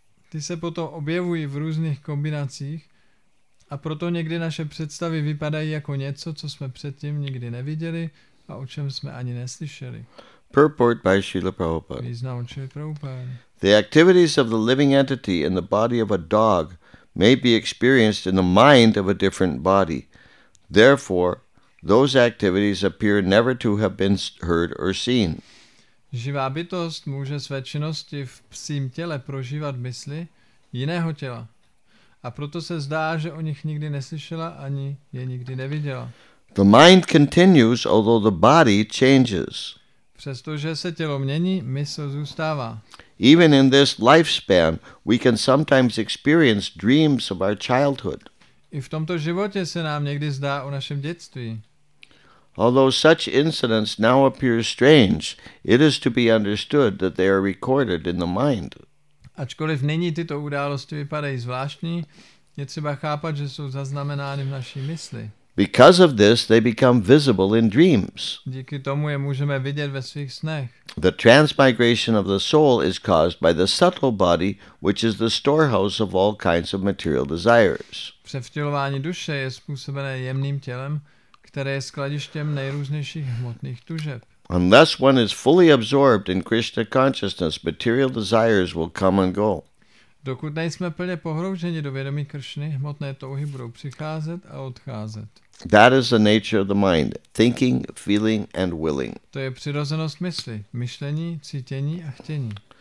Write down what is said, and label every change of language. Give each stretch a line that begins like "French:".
Czech: Ty se potom objevují v různých kombinacích a proto někdy naše představy vypadají jako něco, co jsme předtím nikdy neviděli, a o čem jsme ani neslyšeli.
English: Purport by Srila Prabhupada.
Czech: Význam Srila Prabhupada.
English: The activities of the living entity in the body of a dog may be experienced in the mind of a different body. Therefore, those activities appear never to have been heard or seen.
Czech: Živá bytost může své činnosti v psím těle prožívat mysli jiného těla. A proto se zdá, že o nich nikdy neslyšela ani je nikdy neviděla.
English: The mind continues, although the body changes.
Czech: Přestože se tělo mění, mysl zůstává.
English: Even in this lifespan, we can sometimes experience dreams of our childhood.
Czech: I v tomto životě se nám někdy zdá o našem dětství.
English: Although such incidents now appear strange, it is to be understood that they are recorded in the mind.
Czech: Ačkoliv nyní tyto události vypadají zvláštní, je třeba chápat, že jsou zaznamenány v naší mysli.
English: Because of this, they become visible in dreams.
Czech: Díky tomu je můžeme vidět ve svých snech.
English: The transmigration of the soul is caused by the subtle body, which is the storehouse of all kinds of material desires.
Czech: Převtělování duše je způsobené jemným tělem, které je skladištěm nejrůznějších hmotných tužeb.
English: Unless one is fully absorbed in Krishna consciousness, material desires will come and go.
Czech: Dokud nejsme plně pohrouženi do vědomí Kršny, hmotné touhy budou přicházet a odcházet.
English: That is the nature of the mind, thinking, feeling and willing.
Czech: To je přirozenost mysli, myšlení, cítění a chtění.